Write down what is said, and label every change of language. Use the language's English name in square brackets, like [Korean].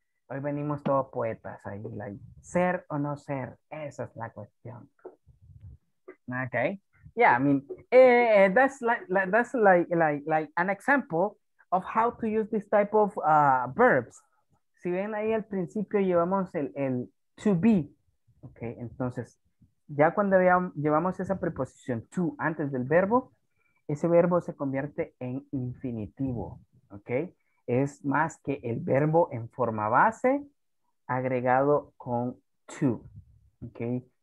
[Spanish] Hoy venimos todos poetas ahí, like, ser o no ser, esa es la cuestión. [English] Okay. Yeah, I mean, that's like an example of how to use this type of verbs. [Spanish] Si ven ahí al principio llevamos el to be, okay? Entonces, ya cuando llevamos esa preposición to antes del verbo, ese verbo se convierte en infinitivo, okay? Es más que el verbo en forma base agregado con to, okay?